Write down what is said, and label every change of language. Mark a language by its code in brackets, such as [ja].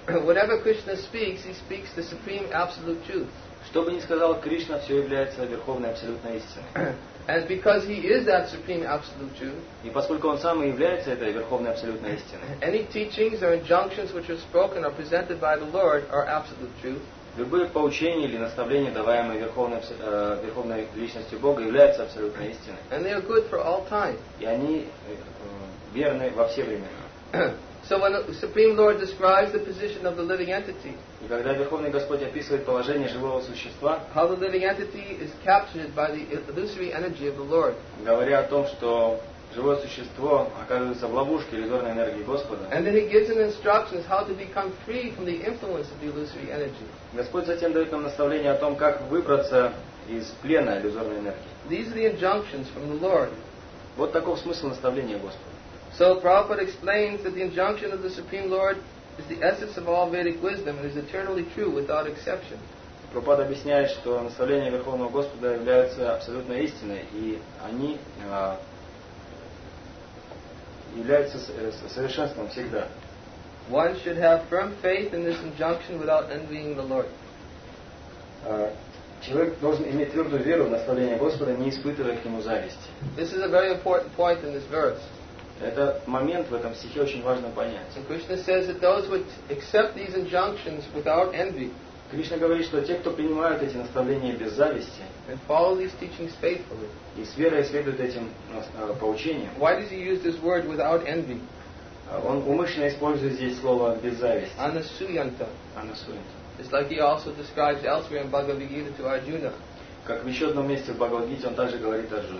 [en] Whatever Krishna speaks, he speaks the supreme absolute truth. [ru] Что бы ни сказал Кришна, все является верховной абсолютной истиной. [en] And because he is that supreme absolute truth, [ru] и поскольку он сам и является этой верховной абсолютной истиной, [en] any teachings or injunctions which are spoken or presented by the Lord are absolute truth. [ru] Любые поучения или наставления, даваемые верховной личностью Бога, являются абсолютной истиной. [en] And they are good for all time. [ru] И они верны во все времена. [en] So when the Supreme Lord describes the position of the living entity, [ru] и когда Верховный Господь описывает положение живого существа, [en] how the living entity is captured by the illusory energy of the Lord, [ru] говоря о том, что живое существо оказывается в ловушке иллюзорной энергии Господа, [en] and then he gives an instruction how to become free from the influence of the illusory energy. [ru] Господь затем дает нам наставление о том, как выбраться из плена иллюзорной энергии. [en] These are the injunctions from the Lord. [ru] Вот таков смысл наставления Господа. [en] So Prabhupada explains that the injunction of the Supreme Lord is the essence of all Vedic wisdom and is eternally true without exception. [ru] Prabhupada объясняет, что наставления Верховного Господа являются абсолютно истиной, и они являются совершенством всегда. [en] One should have firm faith in this injunction without envying the Lord. [ru] Человек должен иметь твердую веру в наставления Господа, не испытывая к нему зависти. [en] This is a very important point in this verse. [ru] Это момент в этом стихе очень важно понять. [en] And Krishna says that those would accept these injunctions without envy. [ru] Кришна говорит, что те, кто принимают эти наставления без зависти, [en] and follow these teachings faithfully. [ru] И с верой следуют этим поучениям. [en] Why does he use this word without envy? [ru] Он умышленно использует здесь слово без зависти. [sa] Anasuyanta. Anasuyanta. [en] It's like he also describes elsewhere in Bhagavad Gita to Arjuna. [ru] Как в еще одном месте в Бхагавад-гите он также говорит